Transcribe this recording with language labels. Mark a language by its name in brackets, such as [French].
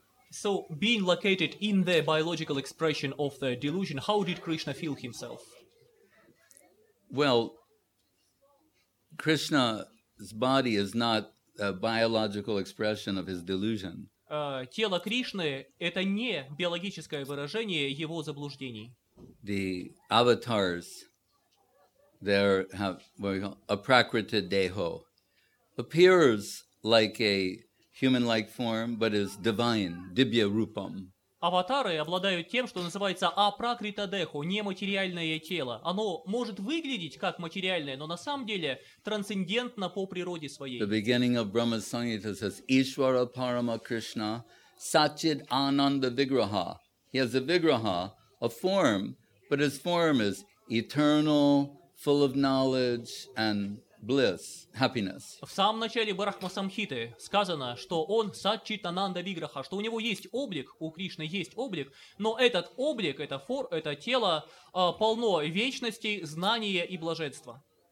[English] So, being located in the biological expression of the delusion, how did Krishna feel himself? Well, Krishna's body is not a biological expression of his delusion. [Russian] Тело Кришны – это не биологическое выражение его заблуждений. [English] The avatars, there have what we call a prakriti deho, appears like a human-like form, but is divine, dibya rupam. [Russian] Аватары обладают тем, что называется апракрита дехо, нематериальное тело. Оно может выглядеть как материальное, но на самом деле трансцендентно по природе своей. [English] The beginning of Brahma Sangita says, [Sanskrit] Ishvara Parama Krishna Sachid Ananda Vigraha. [English] He has a vigraha, a form, but his form is eternal, full of knowledge, and bliss, happiness. [Russian] В самом начале Брахмасамхиты сказано, что он Сат-Чит-Ананда Виграха, что у него есть облик, у Кришны есть облик, но этот облик, это тело полно вечности, знания и блаженства.